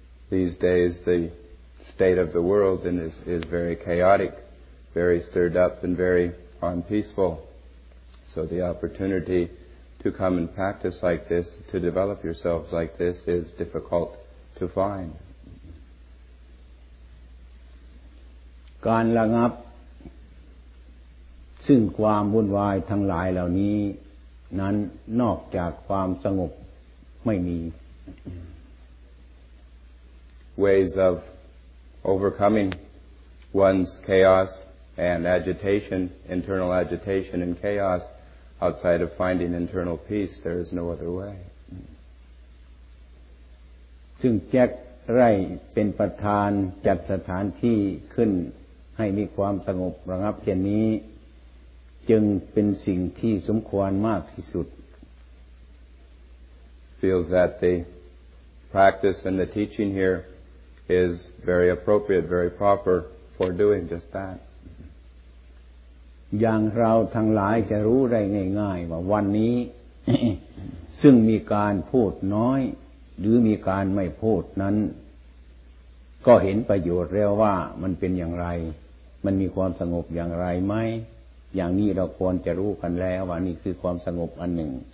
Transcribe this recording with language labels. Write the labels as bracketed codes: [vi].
[en] These days the state of the world is very chaotic very stirred up and very unpeacefulSo the opportunity to come and practice like this, to develop yourselves like this, is difficult to find. [th] การระงับซึ่งความวุ่นวายทั้งหลายเหล่านี้นั้นนอกจากความสงบไม่มี [en] Ways of overcoming one's chaos and agitation, internal agitation and chaos,Outside of finding internal peace, there is no other way. [th] ซึ่งแจ็คไรเป็นประธานจัดสถานที่ขึ้นให้มีความสงบระงับเช่นนี้จึงเป็นสิ่งที่สมควรมากที่สุด [en] Feels that the practice and the teaching here is very appropriate, very proper for doing just that. [th] อย่างเราทั้งหลายจะรู้ได้ง่ายๆว่าวันนี้ ซึ่งมีการพูดน้อยหรือมีการไม่พูดนั้นก็เห็นประโยชน์แล้วว่ามันเป็นอย่างไรมันมีความสงบอย่างไรไหมอย่างนี้เราควรจะรู้กันแล้วว่านี่คือความสงบอันหนึ่ง